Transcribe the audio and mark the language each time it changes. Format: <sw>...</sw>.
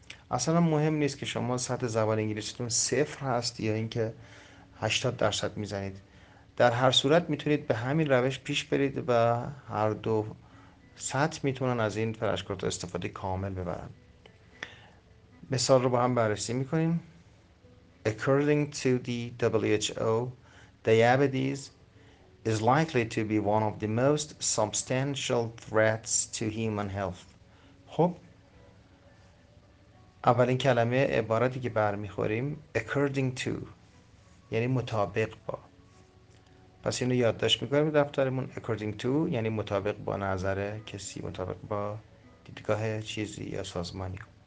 <fa>اصلا مهم نیست که شما سطح زبان انگلیسیتون صفر هست یا اینکه 80% میزنید، در هر صورت میتونید به همین روش پیش برید و هر دو سطح میتونن از این فلش کارت استفاده کامل ببرن. مثال رو با هم بررسی میکنیم.</fa> <en>According to the WHO, diabetes is likely to be one of the most substantial threats to human health.</en> <fa>خب، اولین کلمه عبارتی که برمیخوریم according to، یعنی مطابق با. پس اینو یادداشت میکنیم دفترمون، according to یعنی مطابق با نظر کسی، مطابق با دیدگاه چیزی یا سازمانی.</fa>